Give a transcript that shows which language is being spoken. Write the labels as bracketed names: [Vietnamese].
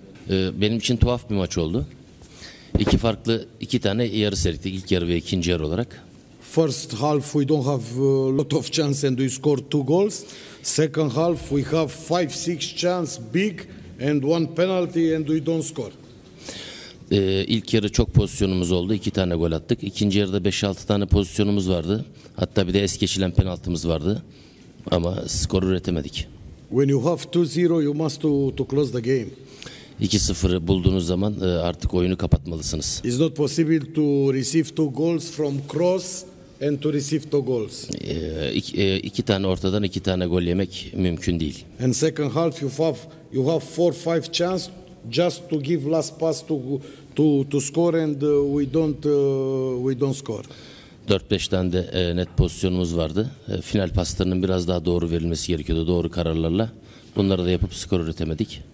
[Turkish] Benim için tuhaf bir maç oldu. İki farklı iki tane yarı seyretti. İlk yarı ve ikinci yarı olarak. [English] First half we don't have a lot of chance and we scored two goals. Second half we have 5-6 chance big and one penalty and we don't score. [Turkish] İlk yarı çok pozisyonumuz oldu. İki tane gol attık. İkinci yarıda 5-6 tane pozisyonumuz vardı. Hatta bir de es geçilen penaltımız vardı. Ama skoru üretemedik. [English] When you have 2-0 you must to close the game. [Turkish] 2-0'ı bulduğunuz zaman artık oyunu kapatmalısınız. [English] It's not possible to receive two goals from cross and to receive two goals. [Turkish] İki tane ortadan iki tane gol yemek mümkün değil. [English] And second half you have 4-5 chance just to give last pass to score and we don't score. [Turkish] 4-5 tane de net pozisyonumuz vardı. Final paslarının biraz daha doğru verilmesi gerekiyordu, doğru kararlarla. Bunları da yapıp skor üretemedik.